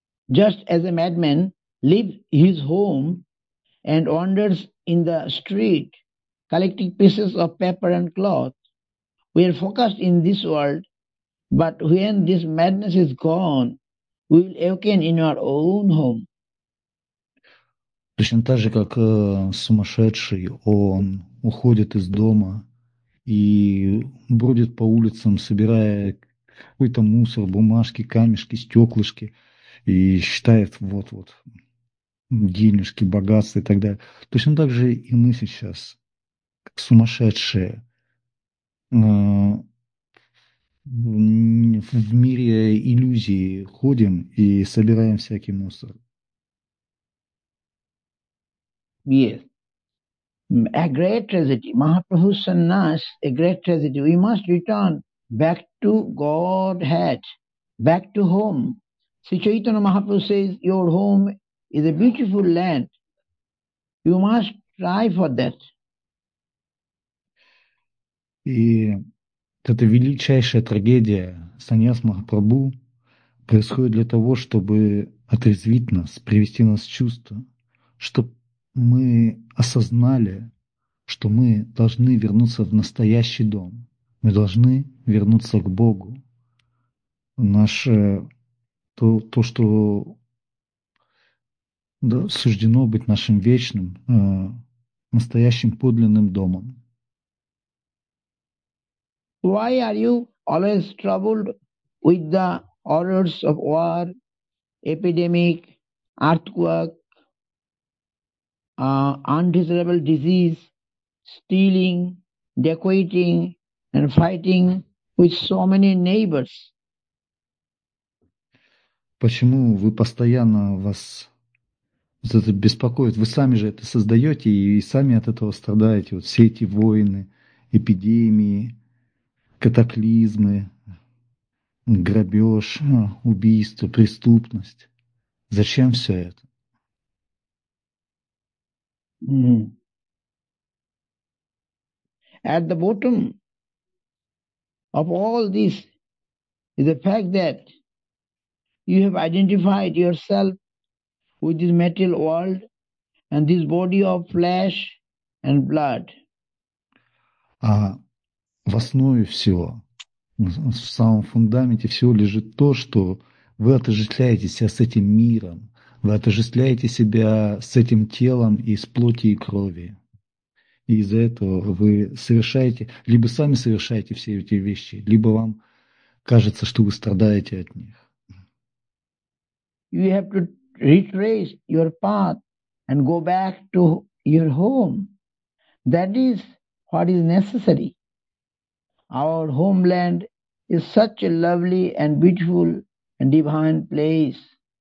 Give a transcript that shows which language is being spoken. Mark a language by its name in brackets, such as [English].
[English] Just as a madman leaves his home and wanders in the street collecting pieces of paper and cloth, we are focused in this world, but when this madness is gone, we will awaken in our own home. [Russian] Точно так же, как сумасшедший, он уходит из дома и бродит по улицам, собирая какой-то мусор, бумажки, камешки, стеклышки, и считает вот-вот денежки, богатства и так далее. Точно так же и мы сейчас, как сумасшедшие, в мире иллюзии ходим и собираем всякий мусор. [English] Yes. A great tragedy. Mahaprabhu sannyas, a great tragedy. We must return back to Godhead, back to home. Sri Chaitanya Mahaprabhu says, your home is a beautiful land. You must try for that. [Russian] И эта величайшая трагедия саньяс Махапрабху происходит для того, чтобы отрезвить нас, привести нас в чувство, чтобы мы осознали, что мы должны вернуться в настоящий дом. Мы должны вернуться к Богу. Наше то, что да, суждено быть нашим вечным, настоящим подлинным домом. [English] Why are you always troubled with the horrors of war, epidemic, earthquake? Undesirable disease, stealing, dacoiting, and fighting with so many neighbors. [Russian] Почему вы постоянно вас это беспокоит? Вы сами же это создаете и сами от этого страдаете. Вот все эти войны, эпидемии, катаклизмы, грабеж, убийство, преступность. Зачем все это? [English] At the bottom of all this is the fact that you have identified yourself with this material world and this body of flesh and blood. [Russian] А в основе всего, в самом фундаменте всего лежит то, что вы отождествляете себя с этим миром, вы отождествляете себя с этим телом из плоти и крови. И из-за этого вы совершаете, либо сами совершаете все эти вещи, либо вам кажется, что вы страдаете от них. [English] You have to retrace your path and go back to your home. That is what is necessary. Our homeland is such a lovely and beautiful and divine place.